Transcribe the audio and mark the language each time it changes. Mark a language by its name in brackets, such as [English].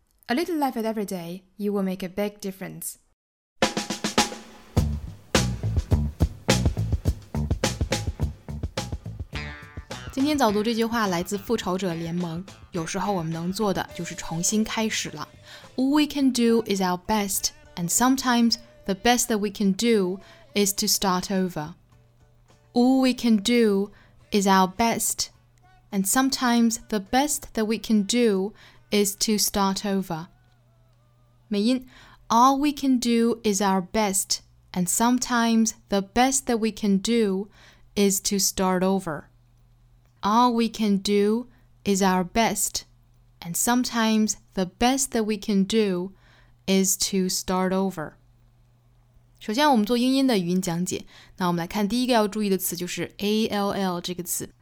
[English] A little life at every day, you will make a big difference. [Chinese] 今天早读这句话来自复仇者联盟。有时候我们能做的就是重新开始了。 [English] All we can do is our best, and sometimes the best that we can do is to start over. All we can do is our best,And sometimes the best that we can do is to start over. 美音 All we can do is our best, and sometimes the best that we can do is to start over. All we can do is our best, and sometimes the best that we can do is to start over. [Chinese] 首先我们做英音的语音讲解，那我们来看第一个要注意的词就是 ALL 这个词。